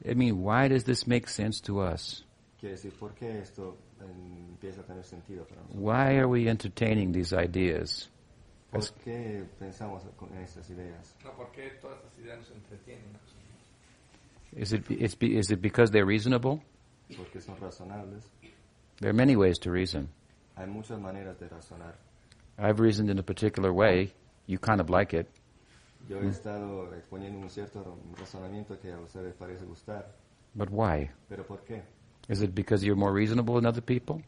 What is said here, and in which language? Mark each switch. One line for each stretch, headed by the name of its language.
English: I mean, why does this make sense to us?
Spanish: Quiere decir, ¿por qué esto empieza a tener sentido para nosotros?
English: Why are we entertaining these ideas?
Spanish: ¿Por qué pensamos con estas ideas? No, ¿por qué todas estas ideas nos entretienen?
English: Is it because they're reasonable?
Spanish: Porque son razonables.
English: There are many ways to reason.
Spanish: Hay muchas maneras de razonar.
English: I've reasoned in a particular way. You kind of like it.
Spanish: Yo he estado exponiendo un cierto razonamiento que a ustedes parece gustar.
English: But why?
Spanish: ¿Pero por qué?
English: Is it because you're more reasonable than other people?